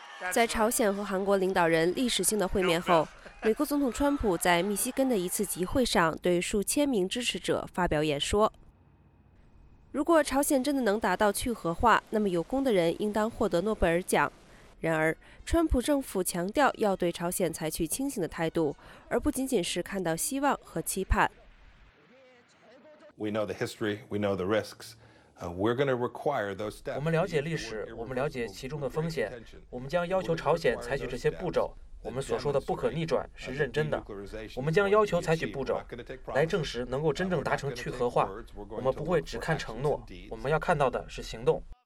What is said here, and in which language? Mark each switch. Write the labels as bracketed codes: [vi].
[zh] 在朝鲜和韩国领导人历史性的会面后，美国总统川普在密西根的一次集会上对数千名支持者发表演说。如果朝鲜真的能达到去核化，那么有功的人应当获得诺贝尔奖。然而，川普政府强调要对朝鲜采取清醒的态度，而不仅仅是看到希望和期盼。 [en] We know the history, we know the risks. We're going to require those steps. [zh] 我们了解历史，我们了解其中的风险，我们将要求朝鲜采取这些步骤。我们所说的不可逆转是认真的，我们将要求采取步骤来证实能够真正达成去核化，我们不会只看承诺，我们要看到的是行动。